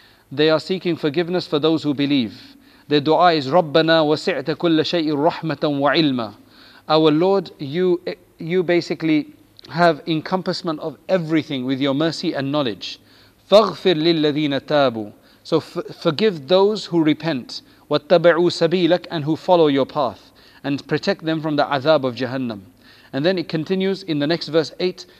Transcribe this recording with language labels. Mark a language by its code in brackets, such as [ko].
[en] They are seeking forgiveness for those who believe. [ar] Their dua is, رَبَّنَا وَسِعْتَ كُلَّ شَيْءٍ رَحْمَةً وَعِلْمًا. [en] Our Lord, you basically have encompassment of everything with your mercy and knowledge. [ar] فَغْفِرْ لِلَّذِينَ تَابُوا. [en] So forgive those who repent. [ar] وَاتَّبَعُوا سَبِيلَكَ, [en] and who follow your path. And protect them from the azab of Jahannam. And then it continues in the next verse 8.